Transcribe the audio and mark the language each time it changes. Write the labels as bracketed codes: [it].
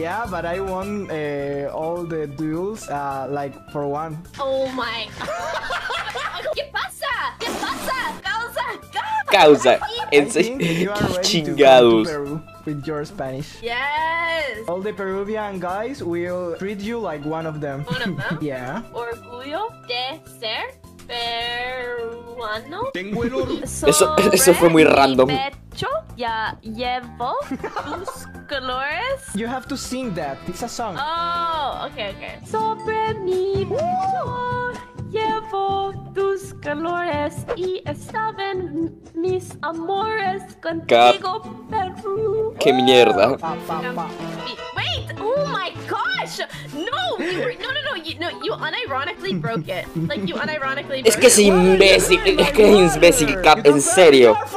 [en] Yeah, but I won all the duels like for one. Oh my. [es] ¿Qué pasa? ¿Qué pasa? Causa, Cap. causa. En serio, qué chingados. [en] With your Spanish. Yes. All the Peruvian guys will treat you like one of them. One of them? Yeah. [es] Orgullo de ser peruano. Tengo el oro. Eso fue muy random. Pecho, ya llevo tus colores. [en] You have to sing that. It's a song. Oh, okay. [es] Sobre mi pecho llevo tus colores y estaban mis amores contigo, Perú. ¡Qué mierda! [en] Wait, oh my gosh! No, you unironically broke it. Like, you unironically broke it. [es] Es que es imbécil, es que es imbécil, Cap, en serio.